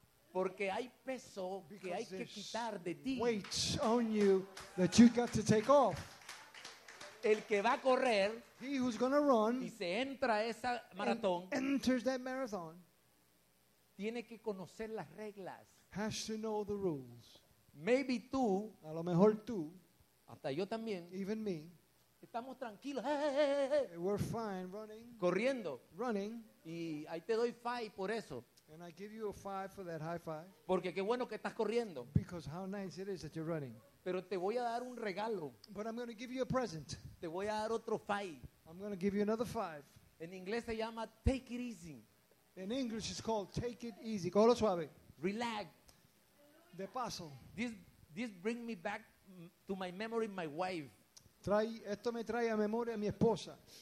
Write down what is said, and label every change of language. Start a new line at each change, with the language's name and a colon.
Spanish: Porque hay peso que hay que quitar de ti.
English: Weights on you that you got to take off.
Spanish: El que va a correr,
English: he who's gonna run,
Spanish: y se entra a esa maratón,
English: enters that marathon,
Spanish: tiene que conocer las reglas.
English: Has to know the rules. Maybe
Spanish: tú, a lo mejor tú, hasta yo también,
English: even me,
Spanish: estamos tranquilos, hey.
English: We're fine running,
Spanish: corriendo,
English: running,
Spanish: y ahí te doy five por eso.
English: And I give you a five for that high five.
Spanish: Porque qué bueno que estás corriendo.
English: Because how nice it is that you're running.
Spanish: Pero te voy a dar un regalo.
English: But I'm going to give you a present.
Spanish: Te voy a dar otro five.
English: I'm going to give you another five.
Spanish: En inglés se llama
English: take it easy. In English it's called take it easy.
Spanish: Cógelo suave.
English: Relax.
Spanish: De paso.
English: This brings me back to my memory, my wife.
Spanish: Esto me trae a memoria a mi esposa.